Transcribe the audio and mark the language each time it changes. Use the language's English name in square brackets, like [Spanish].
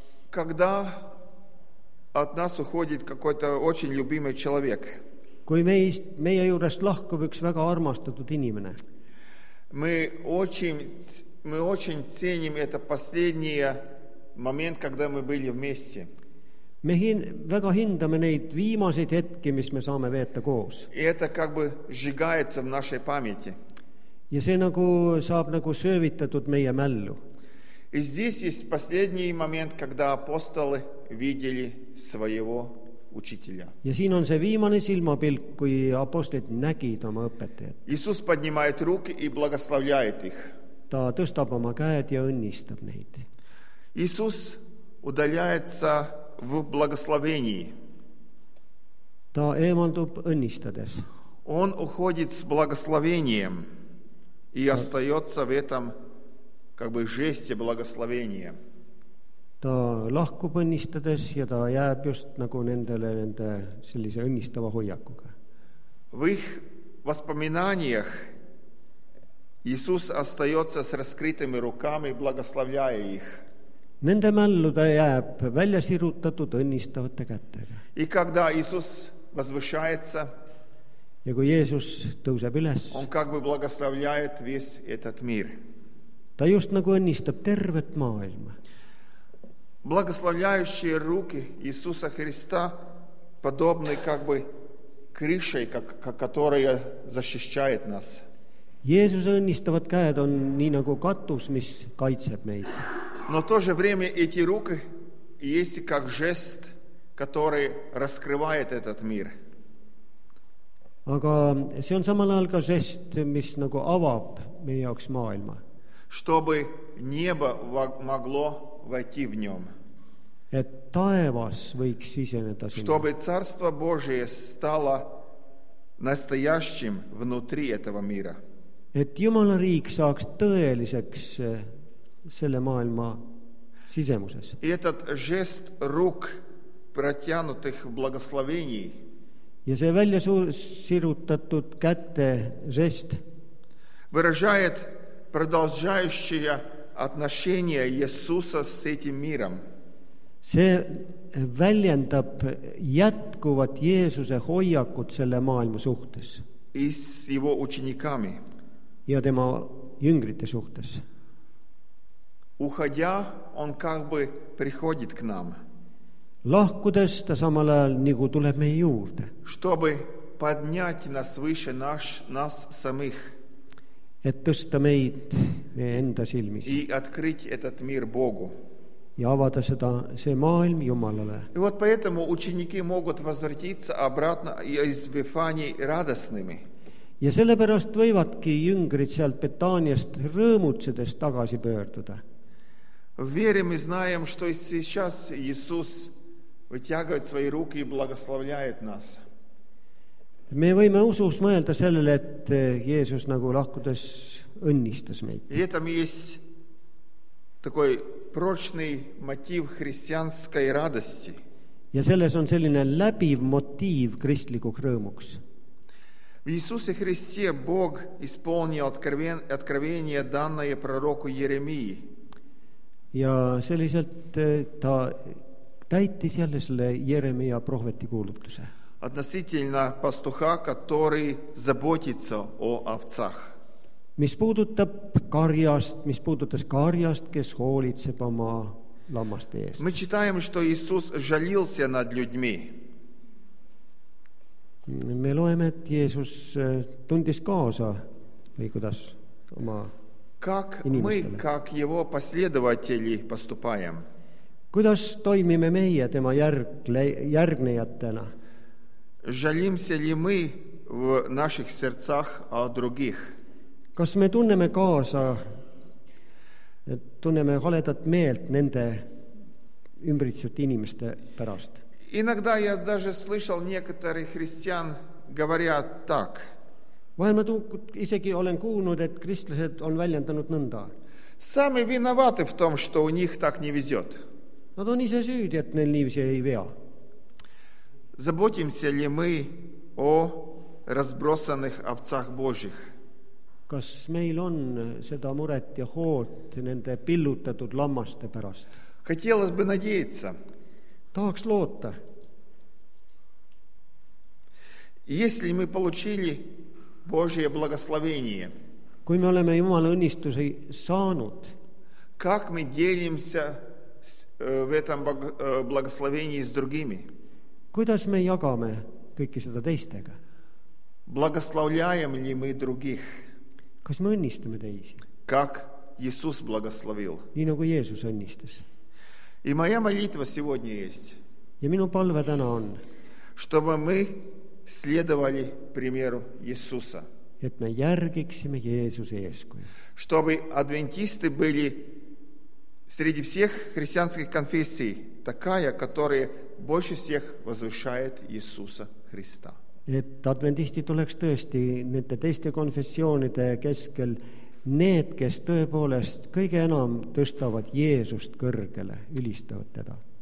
[Russian] Когда от нас уходит какой-то очень любимый человек. [Estonian] Kui meie juurest lahkub üks väga armastatud inimene. [Russian] Мы очень ценим это последний момент, когда мы были вместе. [Estonian] Me väga hindame neid viimaseid hetki, mis me saame veeta koos. [Russian] Это как бы сжигается в нашей памяти. [Estonian] Ja see nagu saab nagu söövitatud meie mällu. [Russian] И здесь есть последний момент, когда апостолы видели своего учителя. [Estonian] Ja siin on see viimane silmapilk, kui apostlid nägid oma õpetajat. [Russian] Иисус поднимает руки и благословляет их. [Estonian] Ta tõstab oma käed ja õnnistab neid. [Russian] Иисус удаляется в благословении. [Estonian] Ta eemaldub õnnistades. [Russian] Он уходит с благословением и остается в этом как бы жесте благословения. [Estonian] ta lahkub õnnistades ja ta jääb just nagu nendele nende sellise õnnistava hoiakuga. [Russian] В их воспоминаниях Иисус остается с раскрытыми руками и благословляя их. [Estonian] Nende mälluda jääb välja sirutatud õnnistavate kätega. [Russian] И когда Иисус возвышается, [Estonian] ja kui Jeesus tõuseb üles, [Russian] он как бы благословляет весь этот мир. [Estonian] Ta just nagu õnnistab tervet maailma. [Russian] Благословляющие руки Иисуса Христа подобны как бы крышей, которая защищает нас. [Estonian] Jeesus õnnistavad käed on nii nagu katus, mis kaitseb meid. [Russian] Но в то же время эти руки есть как жест, который раскрывает этот мир. [Estonian] Aga see on samal ajal ka žest, mis nagu avab meie jaoks maailma. [Russian] Чтобы небо могло войти в нем. [Estonian] Et taevas võiks siseneda sinna. [Russian] Чтобы царство Божие стало настоящим внутри этого мира. [Estonian] Et Jumala riik saaks tõeliseks selle maailma sisemuses. [Russian] И этот жест рук, протянутых в благословении. [Estonian] Ja see välja sirutatud kätte жест [Russian] выражает продолжающее отношение Иисуса с этим миром. [Estonian] See väljendab jätkuvat Jeesuse hoiakut selle maailma suhtes. [Russian] Is его учениками. [Estonian] Ja tema jüngrite suhtes. [Russian] Уходя, он как бы приходит к нам. [Estonian] Lahkudes ta samal ajal nagu tuleb meie juurde. [Russian] Чтобы поднять нас выше нас самих. [Estonian] Et tõsta meid meie enda silmis. [Russian] И открыть этот мир Богу. [Estonian] Ja avada seda, see maailm Jumalale. [Russian] И вот поэтому ученики могут возвратиться обратно из Вифании радостными. [Estonian] Ja sellepärast võivadki jüngrid sealt Betaaniast rõõmutsedes tagasi pöörduda. [Russian] В вере мы знаем, что сейчас Иисус вытягивает свои руки и благословляет нас. [Estonian] Me võime usus mõelda sellele, et Jeesus nagu lahkudes õnnistas meid. [Russian] И это есть такой прочный мотив христианской радости. [Estonian] Ja selles on selline läbiv мотив kristlikuks rõõmuks. [Russian] В Иисусе Христе Бог исполнил откровение, данное пророку Еремии. [Estonian] Ja selliselt ta täitis jälle selle Jeremia prohveti kuulutuse. [Russian] Относительно пастуха, который заботится о овцах. [Estonian] Mis puudutab karjast, mis puudutas karjast, kes hoolitseb oma lammaste eest. [Russian] Мы читаем, что Иисус жалился над людьми. [Estonian] Me loeme, et Jeesus tundis kaasa või kuidas oma [Russian] как [Estonian] inimestele. [Russian] Мы, как его последователи, поступаем? [Estonian] Kuidas toimime meie tema järgnejatena? [Russian] Жалимся ли мы в наших сердцах о других? [Estonian] Kas me tunneme kaasa, tunneme haledat meelt nende ümbritsevate inimeste pärast? [Russian] Иногда я даже слышал некоторых христиан говорят так. [Estonian] Vahel ma isegi olen kuulnud, et kristlased on väljendanud nõnda. [Russian] Сами виноваты в том, что у них так не везет. [Estonian] Nad on ise süüdi, et neil niivise ei vea. [Russian] Заботимся ли мы о разбросанных овцах Божьих? [Estonian] Kas meil on seda muret ja hoolt nende pillutatud lammaste pärast? [Russian] Хотелось бы надеяться. [Estonian] Tahaks loota. [Russian] Если мы получили Божие благословение, [Estonian] kui me oleme Jumala õnnistusi saanud, [Russian] как мы делимся в этом благословении с другими? [Estonian] Kuidas me jagame kõiki seda teistega? [Russian] Благословляем ли мы других? [Estonian] Kas me õnnistame teisi? [Russian] Как Иисус благословил? [Estonian] Nii nagu Jeesus õnnistas. [Russian] И моя молитва сегодня есть. [Estonian] Ja minu palve täna on. [Russian] Чтобы мы следовали примеру Иисуса. [Estonian] Et me järgiksime Jeesuse eeskuju. [Russian] Чтобы адвентисты были среди всех христианских конфессий такая, которая больше всех возвышает Иисуса Христа. [Estonian] Et adventistid oleks tõesti nende teiste konfessioonide keskel Need, kes tõepoolest kõige enam tõstavad Jeesust kõrgele, ülistavad teda.